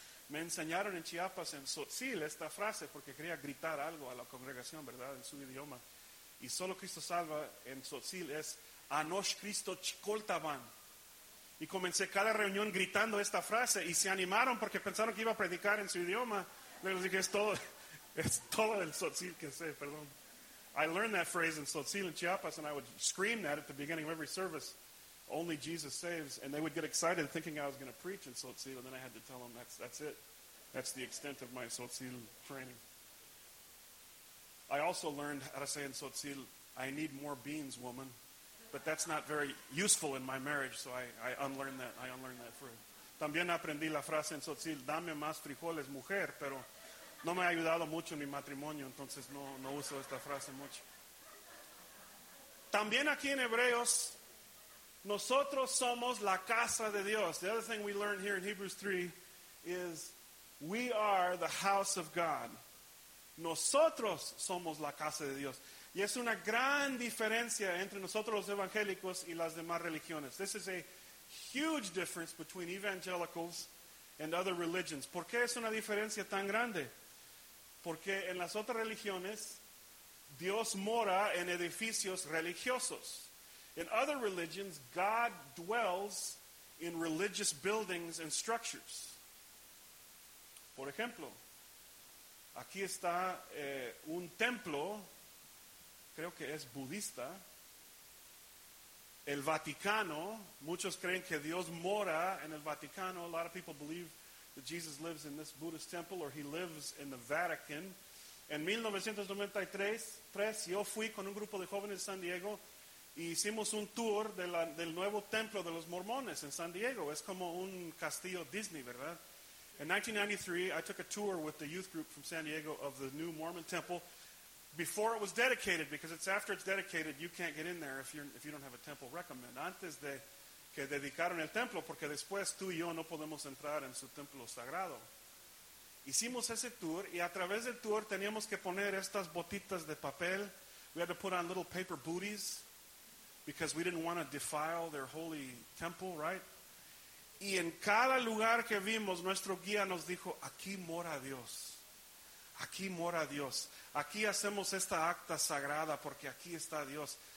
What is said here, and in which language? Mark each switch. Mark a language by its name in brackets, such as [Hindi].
[Spanish] Me enseñaron en Chiapas, en Sotzil, esta frase, porque quería gritar algo a la congregación, ¿verdad? En su idioma. Y solo Cristo salva en Sotzil es [Tzotzil] Anosh Cristo Chikoltaban. [Spanish] Y comencé cada reunión gritando esta frase y se animaron porque pensaron que iba a predicar en su idioma. Les dije, es todo el Sotzil que sé, perdón. [English] I learned that phrase in Sotzil in Chiapas and I would scream that at the beginning of every service. Only Jesus saves. And they would get excited thinking I was going to preach in Sotzil. And then I had to tell them, that's it. That's the extent of my Sotzil training. I also learned how to say in Sotzil, I need more beans, woman. But that's not very useful in my marriage, so I unlearned that phrase. [Spanish] También aprendí la frase en Sotzil, dame más frijoles, mujer, pero no me ha ayudado mucho en mi matrimonio, entonces no uso esta frase mucho. También aquí en Hebreos, nosotros somos la casa de Dios. [English] The other thing we learn here in Hebrews 3 is we are the house of God. [Spanish] Nosotros somos la casa de Dios. Y es una gran diferencia entre nosotros los evangélicos y las demás religiones. [English] This is a huge difference between evangelicals and other religions. [Spanish] ¿Por qué es una diferencia tan grande? Porque en las otras religiones, Dios mora en edificios religiosos. [English] In other religions, God dwells in religious buildings and structures. [Spanish] Por ejemplo, aquí está un templo, creo que es budista, el Vaticano. Muchos creen que Dios mora en el Vaticano. [English] A lot of people believe that Jesus lives in this Buddhist temple or he lives in the Vatican. [Spanish] En 1993, yo fui con un grupo de jóvenes de San Diego y hicimos un tour del nuevo templo de los mormones en San Diego. Es como un castillo Disney, ¿verdad? [English] In 1993, I took a tour with the youth group from San Diego of the new Mormon temple before it was dedicated, because it's after it's dedicated, you can't get in there if you don't have a temple recommend. [Spanish] Antes de que dedicaron el templo, porque después tú y yo no podemos entrar en su templo sagrado. Hicimos ese tour, y a través del tour teníamos que poner estas botitas de papel. [English] We had to put on little paper booties because we didn't want to defile their holy temple, right? [Spanish] Y en cada lugar que vimos, nuestro guía nos dijo, aquí mora Dios. Aquí mora Dios. Aquí hacemos esta acta sagrada porque aquí está Dios.